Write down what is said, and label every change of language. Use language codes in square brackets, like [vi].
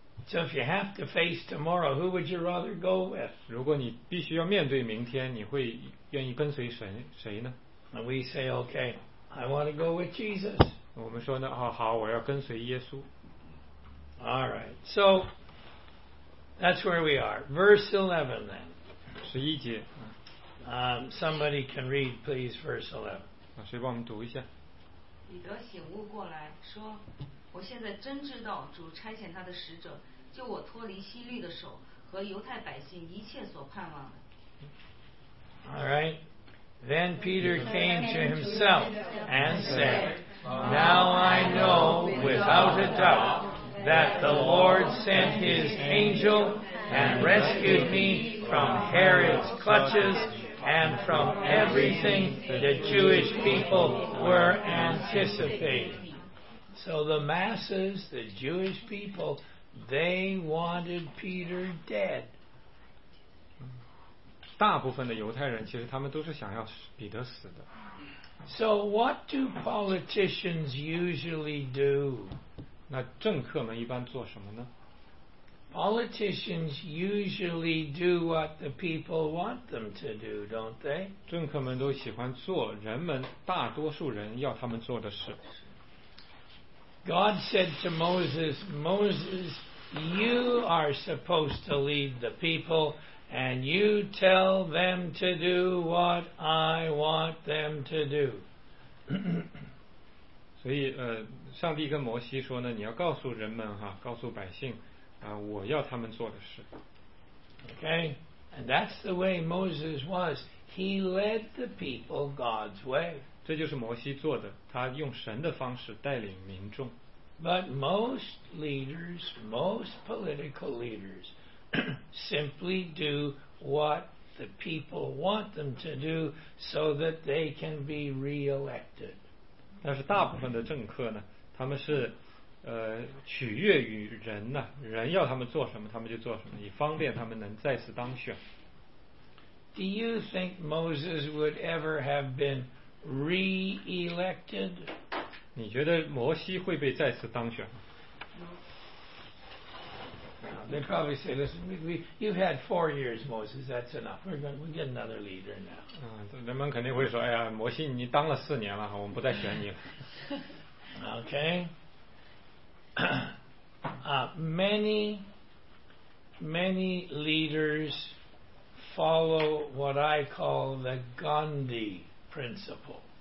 [en] So if you have to face tomorrow, who would you rather go with? [zh] 如果你必须要面对明天，你会愿意跟随谁呢？ [en] And we say, okay, I want to go with Jesus. [zh] 我们说呢，好，我要跟随耶稣。 [en] All right, so that's where we are. Verse 11 then. [zh] 11节。 [en] Somebody can read, please, verse 11. [zh] 谁帮我们读一下？彼得醒悟过来，说我现在真知道主差遣他的使者救我脱离希律的手和犹太百姓一切所盼望的。 [en] All right. Then Peter came to himself and said, Now I know without a doubt that the Lord sent his angel and rescued me from Herod's clutches and from everything the Jewish people were anticipating. So the masses, the Jewish people, they wanted Peter dead. [zh] 大部分的犹太人其实他们都是想要彼得死的。 [en] So what do politicians usually do? [zh] 那政客们一般做什么呢？ [en] Politicians usually do what the people want them to do, don't they? [zh] 政客们都喜欢做人们大多数人要他们做的事。 [en] God said to Moses, Moses, you are supposed to lead the people, and you tell them to do what I want them to do. [zh] 所以上帝跟摩西说呢，你要告诉人们哈，告诉百姓我要他们做的事。 [en] Okay, and that's the way Moses was. He led the people God's way. [zh] 这就是摩西做的，他用神的方式带领民众。 [en] But most leaders, most political leaders, simply do what the people want them to do so that they can be re-elected. [zh] 但是大部分的政客呢，他们是取悦于人呢，人要他们做什么，他们就做什么，以方便他们能再次当选。 [en] Do you think Moses would ever have been? Re-elected. [zh] 你觉得摩西会被再次当选吗？ [en] They probably say, "Listen, you've had 4 years, Moses. That's enough. We'll get another leader now." [zh] 人们肯定会说，哎呀，摩西，你当了四年了，我们不再选你了。 [en] Okay. Many, many leaders follow what I call the Gandhi principle.